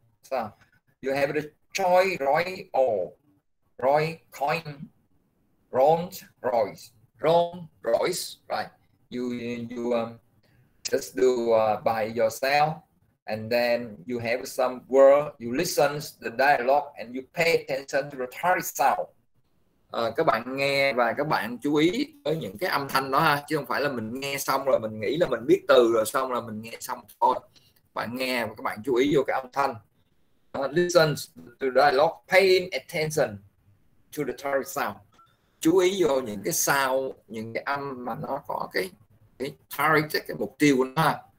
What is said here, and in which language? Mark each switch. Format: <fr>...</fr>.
<en>So you have the Choi Roy O. Roy Coin. Rolls Royce. Rolls Royce. Right. You just do by yourself. And then you have some word, you listen to the dialogue and you pay attention to the tonic sound.</en> <vi>Các bạn nghe và các bạn chú ý tới những cái âm thanh đó ha, chứ không phải là mình nghe xong rồi mình nghĩ là mình biết từ rồi xong là mình nghe xong thôi. Bạn nghe và các bạn chú ý vô cái âm thanh.</vi> <en>Listen to the dialogue, paying attention to the tonic sound.</en> <vi>Chú ý vô những cái sound, những cái âm mà nó có cái target, cái mục tiêu của nó ha.</vi>